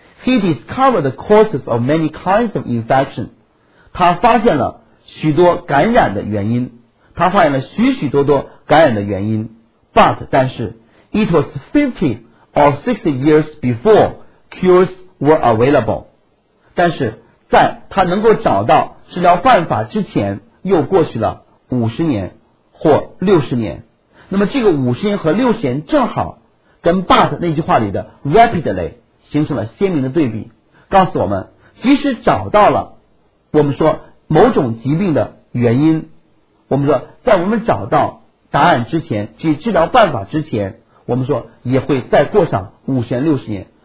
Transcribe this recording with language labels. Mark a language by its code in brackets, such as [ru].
[en] He discovered the causes of many kinds of infection. [zh] 他发现了许多感染的原因，他发现了许许多多感染的原因。 [en] But 但是，it was 50 or 60 years before cures were available. [zh] 但是在他能够找到治疗办法之前，又过去了50年或60年。那么这个50年和60年正好跟 but 那句话里的 rapidly 形成了鲜明的对比，告诉我们即使找到了我们说某种疾病的原因，我们说在我们找到答案之前，去治疗办法之前，我们说也会再过上50年60年。